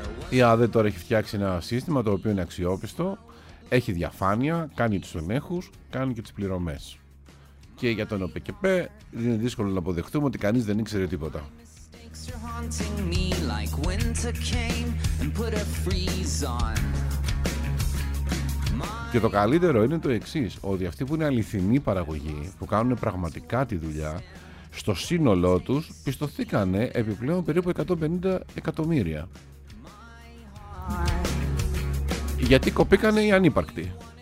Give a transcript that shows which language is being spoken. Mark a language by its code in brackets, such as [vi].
[el] Η ΑΔΕ τώρα έχει φτιάξει ένα σύστημα το οποίο είναι αξιόπιστο, έχει διαφάνεια, κάνει τους ελέγχους, κάνει και τις πληρωμές. Και για τον ΟΠΕΚΕΠΕ είναι δύσκολο να αποδεχτούμε ότι κανείς δεν ήξερε τίποτα. [en] Haunting me like winter came and put a freeze on. [el] Και το καλύτερο είναι το εξής, ότι αυτοί που είναι αληθινή παραγωγή, που κάνουν πραγματικά τη δουλειά, στο σύνολό τους πιστωθήκανε επιπλέον περίπου 150 εκατομμύρια. Γιατί κοπήκανε οι ανύπαρκτοι.